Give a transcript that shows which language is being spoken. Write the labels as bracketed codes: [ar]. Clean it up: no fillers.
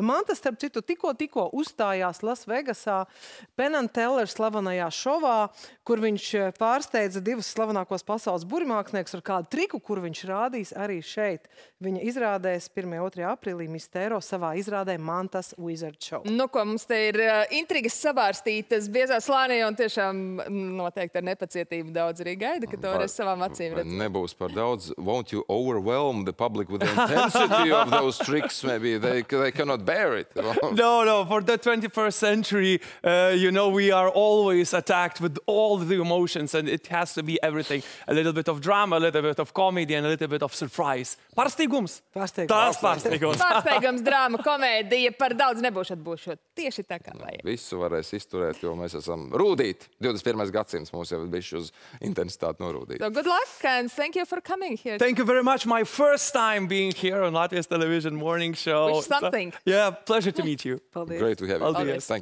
[lv] Mantas, starp citu, tikko uzstājās Las Vegasā Penn & Teller slavenajā šovā, kur viņš pārsteidza divus slavenākos pasaules burmāksniekus ar kādu triku, kur viņš rādīs arī šeit. Viņa izrādēs 1. un 2. aprīlī Mistero savā izrādē Mantas Wizard Show. Nu, ko mums te ir intrigas savārstītas biezā slānī un tiešām noteikti ar nepacietību daudz arī gaida, ka to varēs savām acīm redzēt. Nebūs par daudz. [en] Won't you overwhelm the public with the intensity of those tricks? Maybe they cannot bear it. No, for the 21st century, you know, we are always attacked with all the emotions and it has to be everything. A little bit of drama, a little bit of comedy and a little bit of surprise. [lv] Pārsteigums. Pārsteigums, drāma, komēdija. Par daudz nebūšot būšot. Tieši tā kā vajag. Visu varēs izturēt, jo mēs esam rūdīti. 21. Gadsimts mūs jau bišķi uz intensitāti norūdīti. [en] So good luck and thank you for coming here. Thank you very much. My first time being here on Latvijas Television Morning Show. Which is something. Yeah, pleasure to meet you. Great to have you. Thank you.